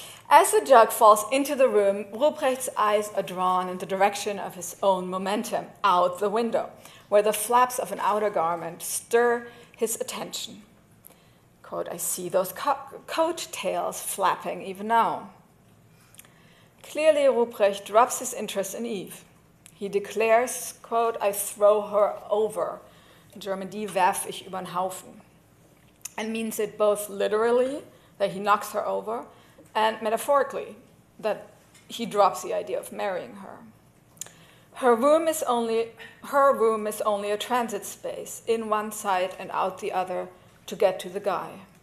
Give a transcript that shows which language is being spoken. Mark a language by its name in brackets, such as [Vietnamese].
[English] As the jug falls into the room, Ruprecht's eyes are drawn in the direction of his own momentum, out the window, where the flaps of an outer garment stir his attention. Quote, I see those coat tails flapping even now. Clearly, Ruprecht drops his interest in Eve. He declares, quote, I throw her over. In German, [German] die werf ich über den Haufen. [English] And means it both literally, that he knocks her over, and metaphorically, that he drops the idea of marrying her. Her room is only a transit space, in one side and out the other, to get to the guy.